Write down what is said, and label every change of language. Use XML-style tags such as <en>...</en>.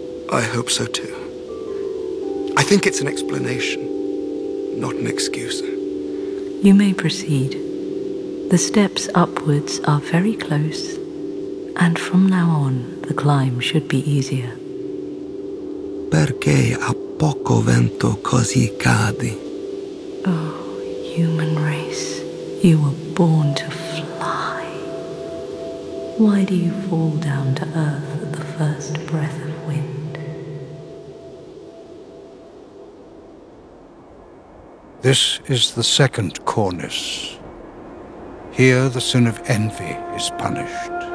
<en>I hope so too. I think it's an explanation, not an excuse. You may proceed. The steps upwards are very close, and from now on, the climb should be easier.</en> <it>Perché a poco vento così cadi?</it> <en>Oh, human race, you were born to fly. Why do you fall down to earth at the first breath of wind? This is the second cornice. Here the sin of envy is punished.</en>